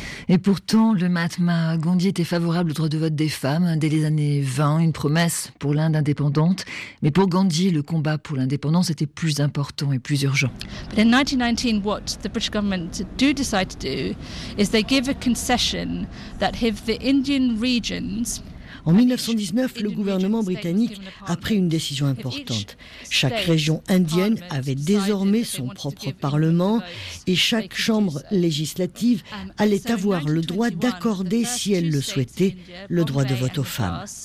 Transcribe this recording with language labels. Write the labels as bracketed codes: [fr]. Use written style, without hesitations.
[fr] Et pourtant, le Mahatma Gandhi était favorable au droit de vote des femmes dès les années 20, une promesse pour l'Inde indépendante. Mais pour Gandhi, le combat pour l'indépendance était plus important et plus urgent. [en] But in 1919, what the British government do decide to do is they give a concession that if the Indian regions... [fr] En 1919, le gouvernement britannique a pris une décision importante. Chaque région indienne avait désormais son propre parlement et chaque chambre législative allait avoir le droit d'accorder, si elle le souhaitait, le droit de vote aux femmes.